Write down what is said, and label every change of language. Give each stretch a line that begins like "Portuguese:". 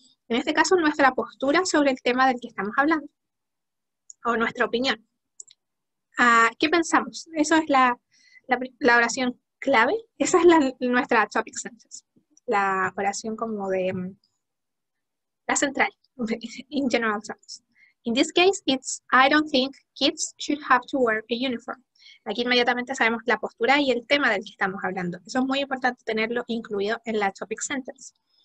Spanish: En este caso, nuestra postura sobre el tema del que estamos hablando, o nuestra opinión. ¿Qué pensamos? Esa es la oración clave, esa es nuestra topic sentence, la oración como de la central,
English: in general terms. In this case, it's I don't think kids should have to wear a uniform.
Spanish: Aquí inmediatamente sabemos la postura y el tema del que estamos hablando. Eso es muy importante tenerlo incluido en la topic sentence.